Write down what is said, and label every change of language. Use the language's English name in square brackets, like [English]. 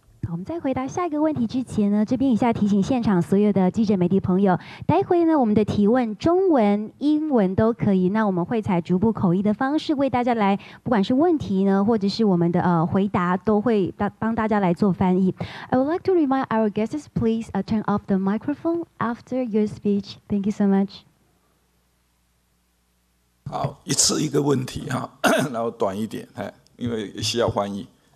[Chinese] 我们在回答下一个问题之前呢，这边一下提醒现场所有的记者媒体朋友，待会呢我们的提问中文英文都可以，那我们会采逐步口译的方式为大家来，不管是问题呢或者是我们的回答，都会帮大家来做翻译。 [English] I would like to remind our guests, please turn off the microphone after your speech. Thank you so much. [Chinese] 好，一次一个问题哈，然后短一点，因为需要翻译。